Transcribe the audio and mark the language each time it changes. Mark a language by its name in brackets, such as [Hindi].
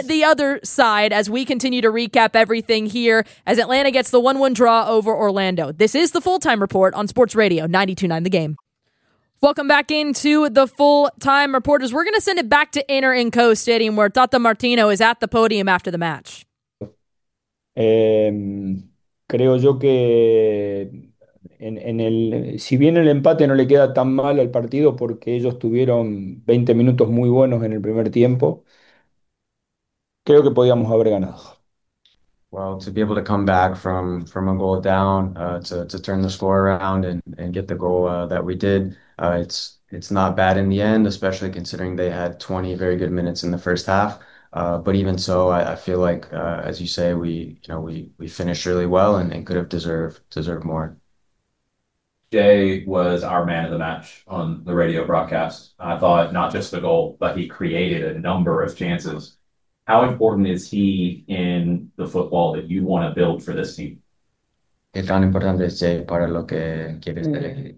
[English] the other side as we continue to recap everything here as Atlanta gets the 1-1 draw over Orlando. This is the Full Time Report on Sports Radio 92.9 The Game. Welcome back into the Full-Time Reporters. We're going to send it back to Inter in Co Stadium where Tata Martino is at the podium after the match. [Spanish] Creo yo que en el si bien el empate no le queda tan mal al partido porque ellos tuvieron 20 minutos muy buenos en el primer tiempo. Creo que podíamos haber ganado. [English] Well, to be able to come back from a goal down, to turn the score around and get the goal that we did, it's not bad in the end, especially considering they had 20 very good minutes in the first half. But even so, I feel like, as you say, we finished really well and could have deserved more. Jay was our man of the match on the radio broadcast. I thought not just the goal, but he created a number of chances. How important is he in the football that you want to build for this team? [Spanish] ¿Qué tan importante es Jay para lo que quieres tener?